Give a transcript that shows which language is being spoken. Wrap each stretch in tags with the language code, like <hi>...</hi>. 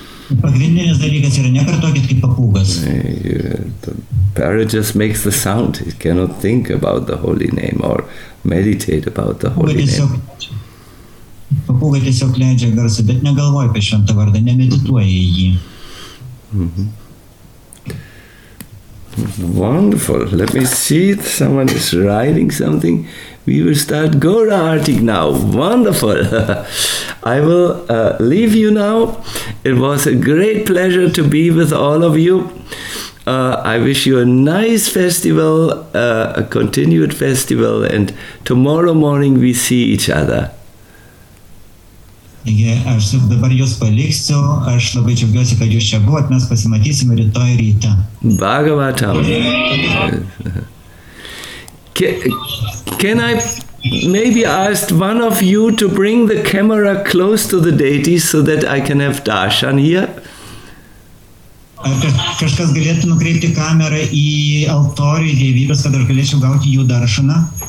<lt>Pagrindinis dalykas yra nekartokit kaip papūgas.</lt> <en>The parrot just makes the sound. It cannot think about the holy name or meditate about the holy name.</en> <lt>Papūga tiesiog leidžia garsą, bet negalvoja apie šventą vardą, nemedituoja jį.</lt> <en>Wonderful. Let me see if someone is writing something. We will start Gaura Artik now. Wonderful. I will leave you now. It was a great pleasure to be with all of you. I wish you a nice festival, a continued festival, and tomorrow morning we see each other.</en> <lt>Aš dabar jūs paliksiu, aš labai džiaugiuosi, kad jūs čia buvot, mes pasimatysime rytoj rytą. Bhagavatam.</lt> <en>Can I maybe ask one of you to bring the camera close to the deity so that I can have darshan here?</en> <lt>Kažkas galėtų nukreipti kamerą į altorių dievybės, kad aš galėčiau gauti jų darshaną?</lt>